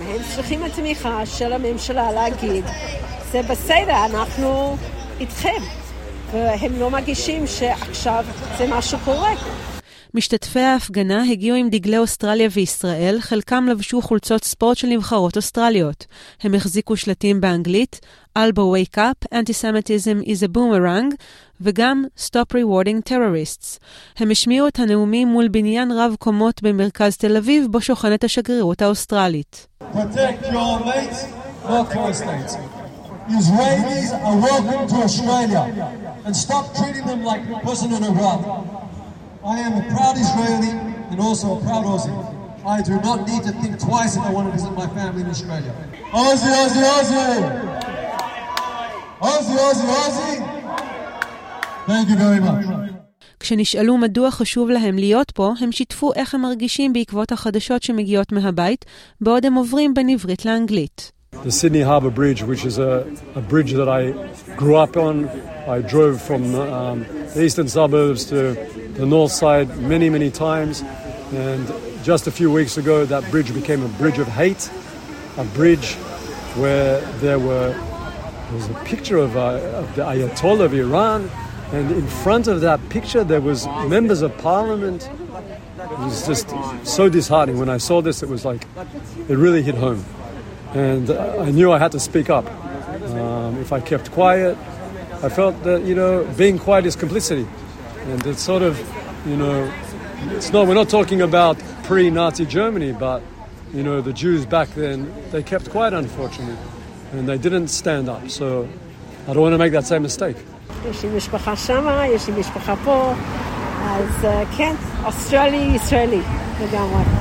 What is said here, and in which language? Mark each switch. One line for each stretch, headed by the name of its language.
Hebrew: הם צריכים את התמיכה של הממשלה להגיד, זה בסדר, אנחנו איתכם. והם לא מגישים שעכשיו זה משהו קורה. משתתפי ההפגנה הגיעו עם דגלי אוסטרליה וישראל, חלקם לבשו חולצות ספורט של נבחרות אוסטרליות. הם החזיקו שלטים באנגלית,
English: Alba wake up, anti-Semitism is a boomerang,
Hebrew: וגם
English: Stop rewarding terrorists.
Hebrew: הם השמיעו את הנאומים מול בניין רב קומות במרכז תל אביב, בו שוכנת השגרירות האוסטרלית.
English: Protect your mates, not your states. Israelis are welcome to Australia and stop treating them like prisoners of war. I am a proud Israeli and also a proud Aussie. I do not need to think twice if I want to visit my family in Australia. Aussie, Aussie, Aussie! Aussie, Aussie, Aussie! Thank you very much.
Hebrew: כשנשאלו מדוע חשוב להם להיות פה, הם שיתפו איך הם מרגישים בעקבות החדשות שמגיעות מהבית, בעוד הם עוברים בין עברית לאנגלית.
English: The Sydney Harbour Bridge, which is a bridge that I grew up on. I drove from the eastern suburbs to the north side many, many times. And just a few weeks ago, that bridge became a bridge of hate, a bridge where there was a picture of the Ayatollah of Iran. And in front of that picture, there was members of parliament. It was just so disheartening. When I saw this, it was like, it really hit home. And I knew I had to speak up. If I kept quiet, I felt that, you know, being quiet is complicity. And it's sort of, you know, we're not talking about pre-Nazi Germany, but you know, the Jews back then, they kept quiet, unfortunately, and they didn't stand up. So I don't want to make that same mistake.
Hebrew: יש לי משפחה שמה, יש לי משפחה פה, אז כן, אוסטרלי, ישראלי, לגמרי.